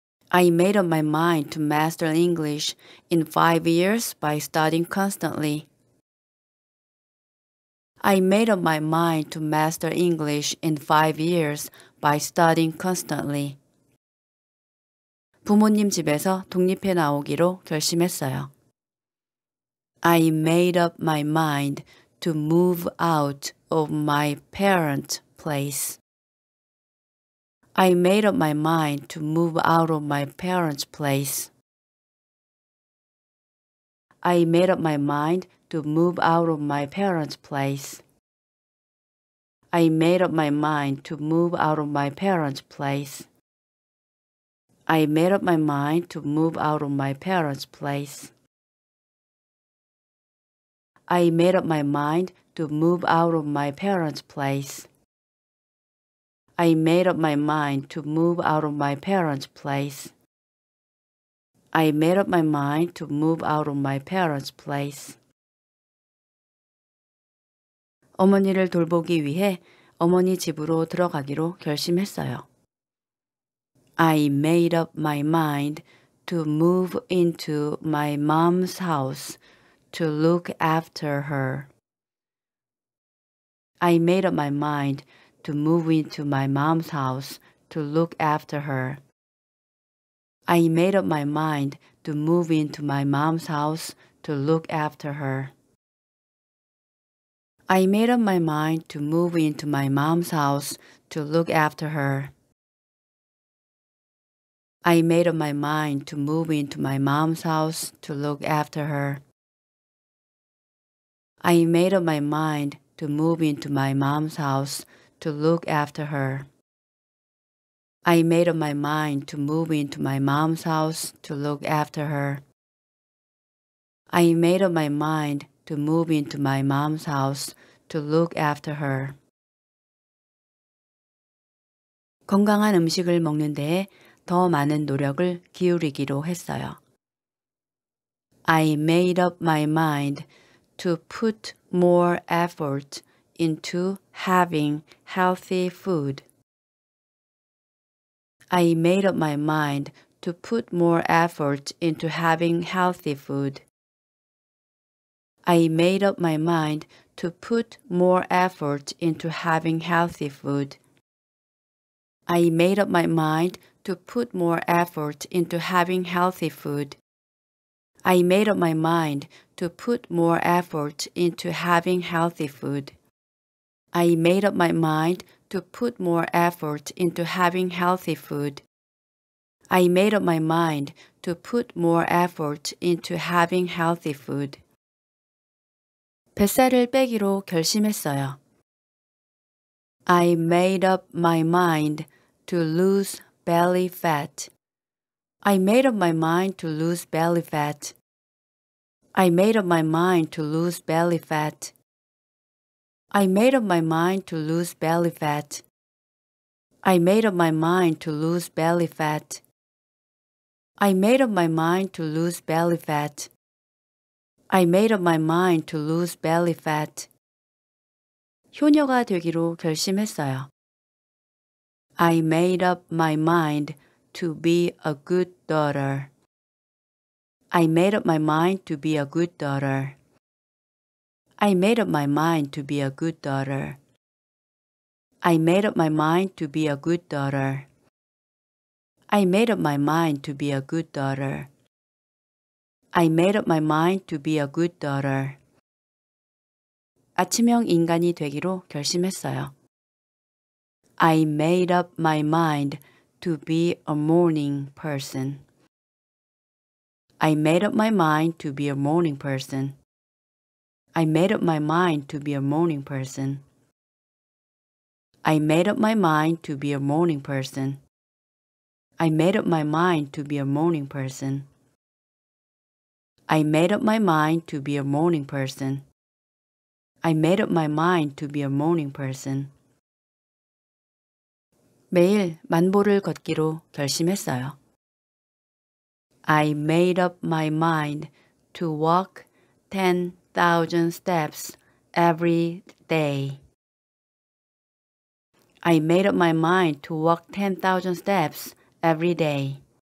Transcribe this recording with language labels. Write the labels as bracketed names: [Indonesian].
[English] I made up my mind to master English in 5 years by studying constantly. I made up my mind to master English in 5 years by studying constantly. [Korean] 부모님 집에서 독립해 나오기로 결심했어요. [English] I made up my mind to move out of my parents' place. I made up my mind to move out of my parents' place. I made up my mind to move out of my parents' place. I made up my mind to move out of my parents' place. I made up my mind to move out of my parents' place. I made up my mind to move out of my parents' place. I made up my mind to move out of my parents' place. I made up my mind to move out of my parents' place. [Korean] 어머니를 돌보기 위해 어머니 집으로 들어가기로 결심했어요. [English] I made up my mind to move into my mom's house to look after her. I made up my mind to move into my mom's house to look after her. I made up my mind to move into my mom's house to look after her. I made up my mind to move into my mom's house to look after her. I made up my mind to move into my mom's house to look after her. I made up my mind to move into my mom's house to look after her. I made up my mind to move into my mom's house to look after her. I made up my mind to move into my mom's house to look after her. [Korean] 건강한 음식을 먹는 데에 더 많은 노력을 기울이기로 했어요. [English] I made up my mind to put more effort into having healthy food. I made up my mind to put more effort into having healthy food. I made up my mind to put more effort into having healthy food. I made up my mind to put more effort into having healthy food. I made up my mind to put more effort into having healthy food. I made up my mind to put more effort into having healthy food. I made up my mind to put more effort into having healthy food. [Korean] 뱃살을 빼기로 결심했어요. [English] I made up my mind to lose belly fat. I made up my mind to lose belly fat. I made up my mind to lose belly fat. I made up my mind to lose belly fat. I made up my mind to lose belly fat. I made up my mind to lose belly fat. I made up my mind to lose belly fat. [Korean] 효녀가 되기로 결심했어요. [English] I made up my mind to be a good daughter. I made up my mind to be a good daughter. I made up my mind to be a good daughter. I made up my mind to be a good daughter. I made up my mind to be a good daughter. I made up my mind to be a good daughter. [Korean] 아침형 인간이 되기로 결심했어요. [English] I made up my mind to be a morning person. I made up my mind to be a morning person. I made up my mind to be a morning person. I made up my mind to be a morning person. I made up my mind to be a morning person. I made up my mind to be a morning person. I made up my mind to be a morning person. [Korean] 매일 만보를 걷기로 결심했어요. [English] I made up my mind to walk 10,000 steps every day. I made up my mind to walk 10,000 steps every day.